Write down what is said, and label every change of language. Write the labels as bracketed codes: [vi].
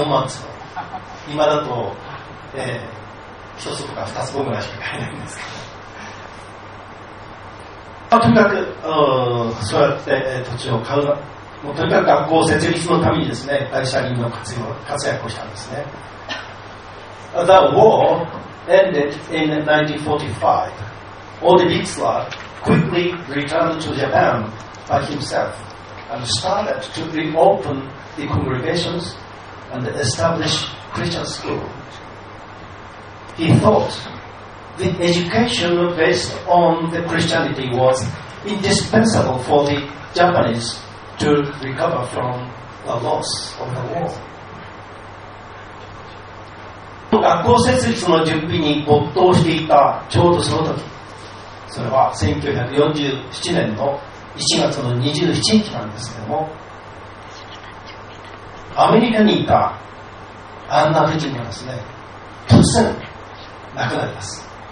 [ja] 4万坪、今だと、1坪か2坪ぐらいしか買えないんですけど、まあ、とにかくそうやって、土地を買う、もうとにかく学校設立のためにですね、大車輪の活躍をしたんですね。 [en] The warEnded in 1945. Ode Bixler quickly returned to Japan by himself and started to reopen the congregations and establish Christian schools. He thought the education based on the Christianity was indispensable for the Japanese to recover from the loss of the war. [ja] 学校設立の準備に没頭していたちょうどその時、それは1947年の1月の27日なんですけども、アメリカにいたあんな時にはですね、突然なくなります。